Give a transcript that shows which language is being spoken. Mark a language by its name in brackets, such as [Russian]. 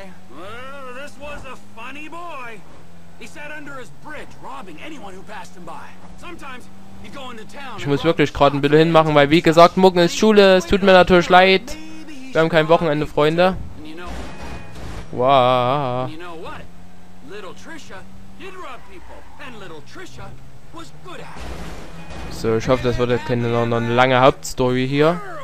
[English] Well, this was a funny boy. He sat under his bridge, robbing anyone who passed him by. Sometimes he'd go into town. [German] Ich muss wirklich gerade ein bisschen hinmachen, weil wie gesagt, morgen ist Schule. Es tut mir natürlich leid. Wir haben kein Wochenende, Freunde. [English] Wow. Little Trisha did rob people, and little Trisha was good at it. [German] So, ich hoffe, das wird jetzt keine noch eine lange Hauptstory hier.